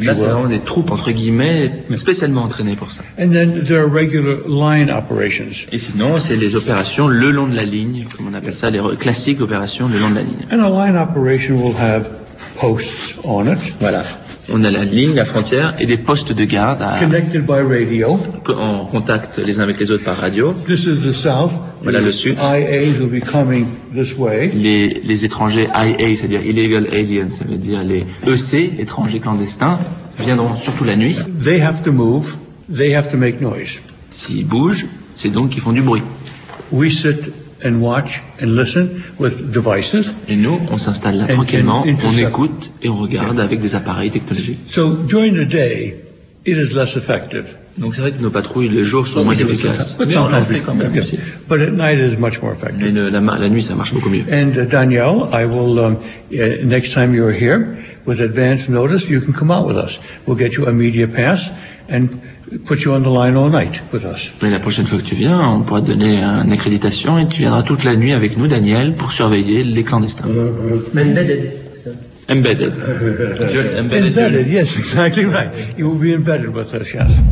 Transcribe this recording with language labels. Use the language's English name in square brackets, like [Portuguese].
[French] Là, c'est vraiment des troupes entre guillemets, spécialement entraînées pour ça. [English] And then there are regular line operations. [French] Et sinon, c'est les opérations le long de la ligne, comme on appelle ça, les classiques opérations le long de la ligne. [English] And a line operation will have posts on it. [French] Voilà. On a la ligne, la frontière et des postes de garde [English] connected by radio. [French] En contact les uns avec les autres par radio. [English] This is the south. [French] Voilà le sud. [English] IAs will be coming this way. [French] Les étrangers IA, c'est-à-dire illegal aliens, ça veut dire les EC, étrangers clandestins, viendront surtout la nuit. [English] They have to move, they have to make noise. [French] S'ils bougent, c'est donc qu'ils font du bruit. [English] We sit and watch and listen with devices. [French] Et nous, on s'installe là tranquillement, on écoute et on regarde avec des appareils technologiques. [English] So during the day, it is less effective. [French] Donc c'est vrai que nos patrouilles le jour sont moins efficaces. Mais on en fait quand même aussi. [English] But at night it is much more effective. [French] Mais la nuit, ça marche beaucoup mieux. [English] And Danielle, I will next time you are here with advance notice, you can come out with us. We'll get you a media pass and put you on the line all night with us. [French] Mais la prochaine fois que tu viens, on pourra te donner une accréditation et tu viendras toute la nuit avec nous, Daniel, pour surveiller les clandestins. [English] Embedded. Embedded, yes, exactly right. You will be embedded with us, yes.